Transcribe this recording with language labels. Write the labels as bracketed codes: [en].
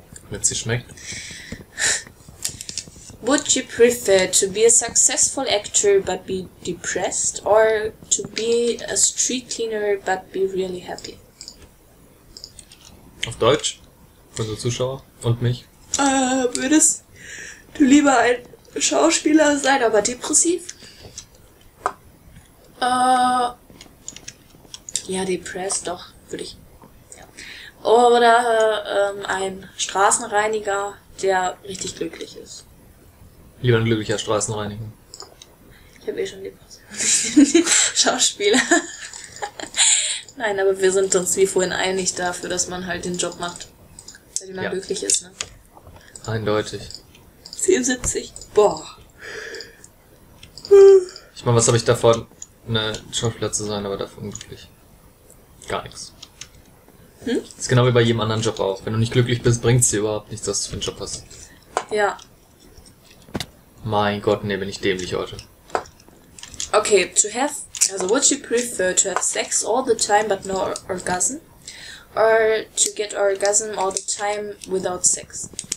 [de] Wenn es dir schmeckt. [en] Would you prefer to be a successful actor but be depressed or to be a street cleaner but be really happy? [de] Auf Deutsch? Für unsere Zuschauer und mich? Würdest du lieber ein Schauspieler sein, aber depressiv? Ja, depressed, doch, würde ich. Ja. Oder ein Straßenreiniger, der richtig glücklich ist. Lieber ein glücklicher Straßenreiniger. Ich habe eh schon die Schauspieler. Nein, aber wir sind uns wie vorhin einig dafür, dass man halt den Job macht, bei dem man ja glücklich ist, ne? Eindeutig. 77. Boah. Ich meine, was habe ich davon, eine Schauspieler zu sein, aber davon glücklich? Gar nichts. Hm? Ist genau wie bei jedem anderen Job auch. Wenn du nicht glücklich bist, bringt es dir überhaupt nichts, dass du für einen Job hast. Ja. Mein Gott, nee, bin ich dämlich heute. [en] Okay, would you prefer to have sex all the time but no orgasm? Or to get orgasm all the time without sex?